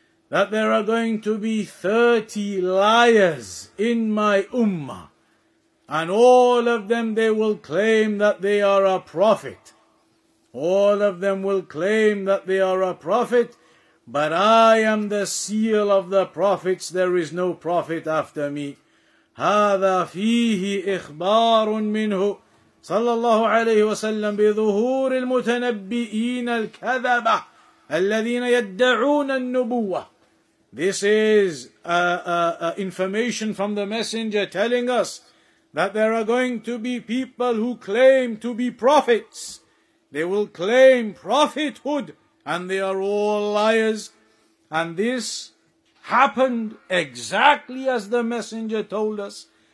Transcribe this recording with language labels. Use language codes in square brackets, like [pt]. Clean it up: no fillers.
[en] That there are going to be 30 liars in my ummah, and all of them, they will claim that they are a prophet. All of them will claim that they are a prophet, but I am the seal of the prophets. There is no prophet after me. [ar] هَذَا فِيهِ إِخْبَارٌ مِّنْهُ صلى الله عليه وسلم بظهور المتنبئين الكذبة الذين يدعون النبوة. [en] This is information from the messenger telling us that there are going to be people who claim to be prophets. They will claim prophethood, and they are all liars. And this happened exactly as the messenger told us.